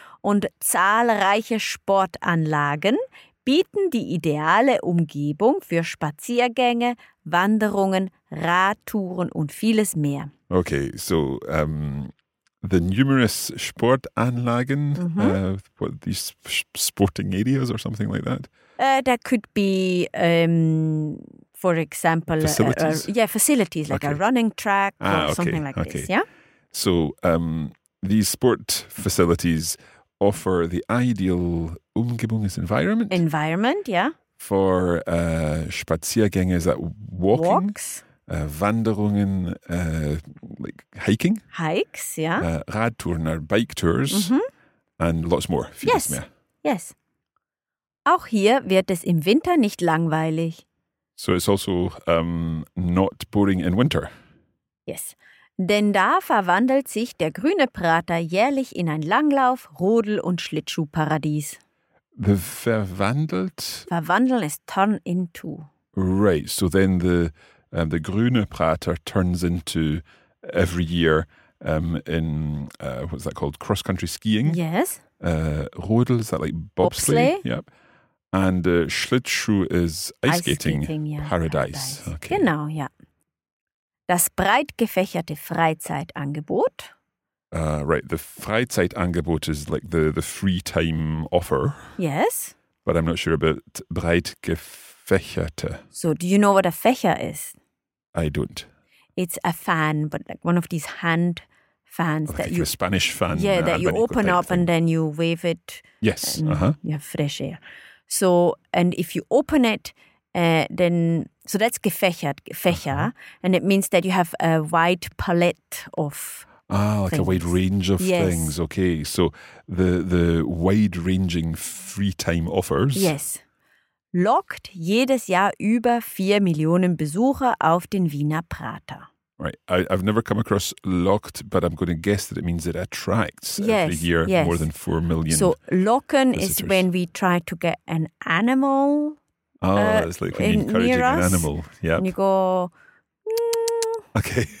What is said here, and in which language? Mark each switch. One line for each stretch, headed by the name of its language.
German: Und zahlreiche Sportanlagen bieten die ideale Umgebung für Spaziergänge, Wanderungen, Radtouren und vieles mehr.
English: Okay, so the numerous Sportanlagen, these sporting areas or something like that? That could be, for example, facilities like a running track something like this. Yeah. So these sport facilities offer the ideal Umgebung, environment. Environment, yeah. For Spaziergänge, is that walking? Walks. Wanderungen, like hiking? Hikes, yeah. Radtouren are bike tours. And lots more. Yes, yes.
German: Auch hier wird es im Winter nicht langweilig.
English: So it's also not boring in winter. Yes.
German: Denn da verwandelt sich der grüne Prater jährlich in ein Langlauf-, Rodel- und Schlittschuhparadies. Verwandelt?
English: Verwandeln is turn into. Right, so then the grüne Prater turns into every year in, what's that called, cross-country skiing? Yes. Rodel, is that like bobsleigh? Yep. And Schlittschuh is ice skating paradise. Okay.
German: Genau, ja. Das breit gefächerte Freizeitangebot.
English: Right, the Freizeitangebot is like the free time offer. Yes. But I'm not sure about breit gefächerte. So, do you know what a Fächer is? I don't. It's a fan, but like one of these hand fans. Like a Spanish fan. Yeah, that you open up and then you wave it. Yes. You have fresh air. So, and if you open it, then... So that's gefächert, Fächer, and it means that you have a wide palette of like things. A wide range of things. Okay, so the wide-ranging free time offers. Yes.
German: Lockt jedes Jahr über 4 Millionen Besucher auf den Wiener Prater.
English: Right, I've never come across locked, but I'm going to guess that it means it attracts every year more than 4 million. So locken is when we try to get an animal. Oh, it's like when you're encouraging an animal. Yeah. And you go, okay.